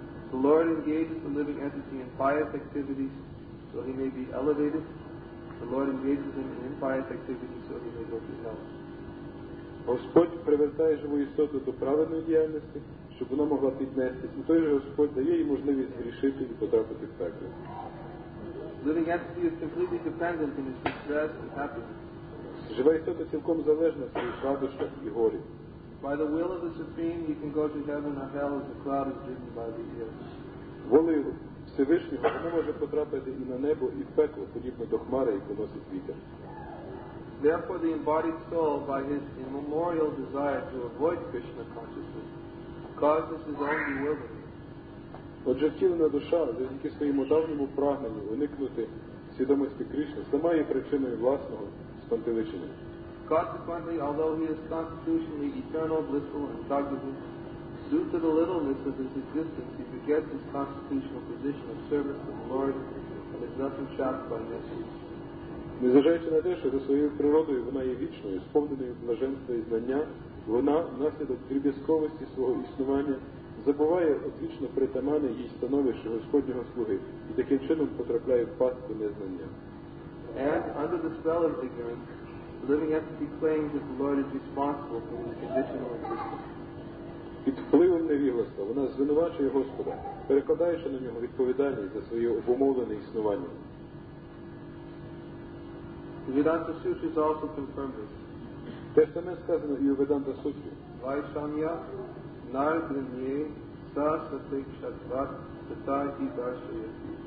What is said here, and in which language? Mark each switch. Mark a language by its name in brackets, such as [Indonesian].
[English] The Lord engages the living entity in pious activities so he may be elevated. The Lord engages him in impious activities so he may go to hell. [Ukrainian] Господь привертає живу істоту до праведної діяльності, щоб вона могла піднестись, і той же Господь дає їй можливість грішити і потрапити в пекло. [English] Living entity is completely dependent in his distress and happiness. [Ukrainian] Жива істота цілком залежна в своїх радощах і горі. [English] By the will of the Supreme, you can go to heaven or hell as the cloud is driven by the air. [Ukrainian] Волею Всевишнього вона може потрапити і на небо, і в пекло, подібно до хмари, яку носить вітер. [English] Therefore, the embodied soul, by his immemorial desire to avoid Krishna consciousness, causes his own bewilderment. [Ukrainian] Отже, втілена душа, завдяки своєму давньому прагненню уникнути свідомості Кришни, сама є причиною власного спантеличення. [English] Consequently, although he is constitutionally eternal, blissful, and cognizant, due to the littleness of his existence, he forgets his constitutional position of service to the Lord and is thus entrapped by nature. [Ukrainian] Незважаючи на те, що за своєю природою вона є вічною, сповненою блаженства і знання, вона, внаслідок дріб'язковості свого існування, забуває одвічно притаманне їй становище Господнього слуги і таким чином потрапляє в пастку незнання. [English] And under the spell of ignorance, the living entity claims that the Lord is responsible for his conditional existence. [Ukrainian] Під впливом невігластва вона звинувачує Господа, перекладаючи на нього відповідальність за своє обумовлене існування. [English] Vedanta Sutras also confirm this. [Ukrainian] Те ж саме сказано і у Веданта Сутрі. [Sanskrit] Vaishamya nardhanye sa satik shatvat satai hi darshayati.